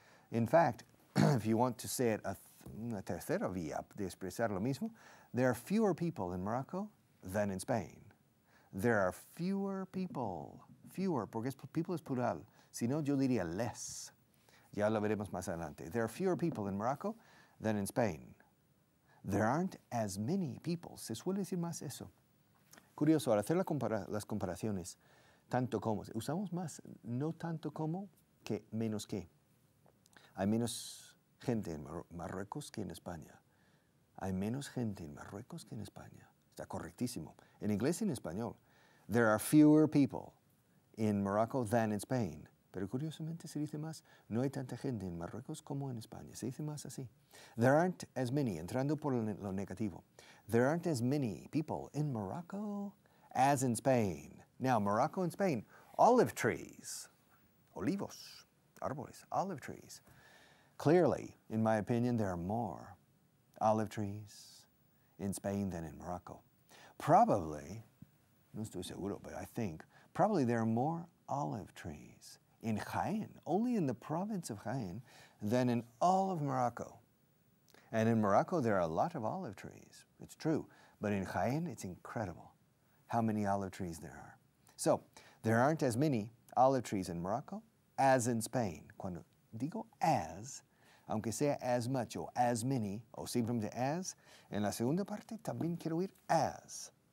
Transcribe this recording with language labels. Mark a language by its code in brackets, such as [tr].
[en] In fact, if you want to say it [es] una tercera vía de expresar lo mismo, [en] there are fewer people in Morocco than in Spain. There are fewer people. Fewer, [es] porque [en] people es plural. [es] Si no, yo diría less. Ya lo veremos más adelante. [en] There are fewer people in Morocco than in Spain. There aren't as many people. [es] Se suele decir más eso. Curioso, al hacer las comparaciones, tanto como, usamos más no tanto como que menos que. Hay menos gente en Marruecos que en España. Hay menos gente en Marruecos que en España. Está correctísimo. En inglés y en español. [en] There are fewer people in Morocco than in Spain. [es] Pero curiosamente se dice más, no hay tanta gente en Marruecos como en España. Se dice más así. [en] There aren't as many, [es] entrando por lo negativo. [en] There aren't as many people in Morocco as in Spain. Now, Morocco and Spain, olive trees. [es] Olivos, árboles, [en] olive trees. Clearly, in my opinion, there are more olive trees in Spain than in Morocco. Probably, [es] no estoy seguro, [en] but I think, probably there are more olive trees in Jaén, only in the province of Jaén, than in all of Morocco. And in Morocco, there are a lot of olive trees. It's true. But in Jaén, it's incredible how many olive trees there are. So, there aren't as many olive trees in Morocco as in Spain. [es] Cuando digo as, aunque sea as much o as many, o simplemente as, en la segunda parte también quiero ir as.